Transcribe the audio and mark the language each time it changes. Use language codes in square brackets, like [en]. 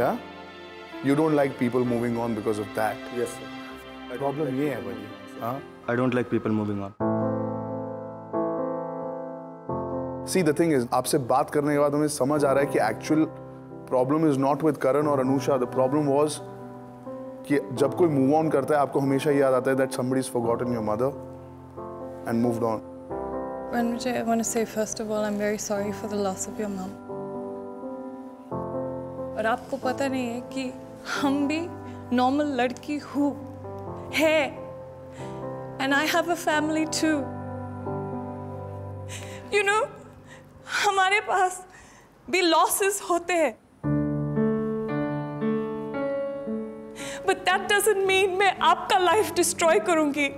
[en] या you don't like people moving on because of that? Yes sir. [hi] Problem ये है भाई। [en] हां, I don't like people moving on. See, the thing is, [hi] आपसे बात करने के बाद हमें समझ आ रहा है कि [en] actual problem is not with Karan [hi] और Anusha. [en] The problem was [hi] कि जब कोई move on करता है, आपको हमेशा याद आता है [en] that somebody's forgotten your mother and moved on. Ranvijay, I want to say first of all, I'm very sorry for the loss of your mom. [hi] और आपको पता नहीं है कि हम भी normal लड़की हूँ, है, [en] and I have a family too. You know? [hi] हमारे पास भी लॉसेस होते हैं, [en] but that doesn't mean [hi] मैं आपका लाइफ डिस्ट्रॉय करूंगी।